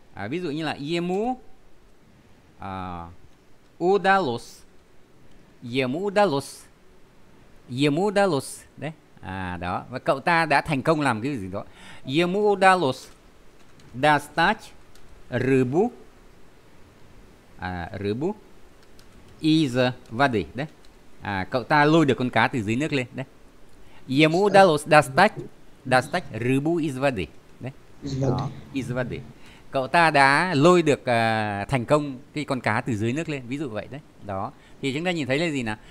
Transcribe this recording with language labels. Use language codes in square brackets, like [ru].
[vi] Ví dụ như là [ru] ему удалось. Ему удалось đấy. [vi] Đó, và cậu ta đã thành công làm cái gì đó. [ru] Ему удалось достать рыбу rыбу из воды, да? [vi] Cậu ta lôi được con cá từ dưới nước lên, đấy. [ru] Ему удалось достать рыбу из воды, đấy. Đó, из воды. [vi] Cậu ta đã lôi được thành công cái con cá từ dưới nước lên, ví dụ vậy đấy. Đó. Thì chúng ta nhìn thấy là gì nào?